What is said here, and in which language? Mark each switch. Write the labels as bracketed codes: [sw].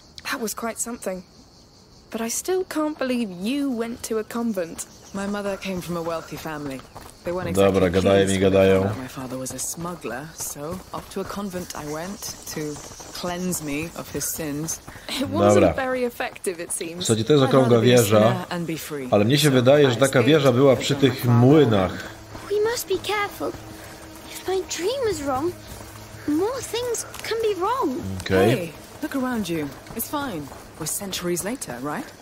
[en] That was quite something. But I still can't believe you went to a convent. My mother came from a wealthy family. They weren't exactly pleased. [pl] Gadają. [en] My father was a smuggler, so off to a convent I went to cleanse me of his sins. It wasn't [pl] dobra. [en] Very effective, it seems. [pl] Słuchajcie, to jest okrągła wieża, ale mnie się wydaje, że taka wieża była przy tych młynach. [en] We must be careful. If my dream is wrong, more things can be wrong. Okay. Hey, look around you. It's fine. We're centuries later, right?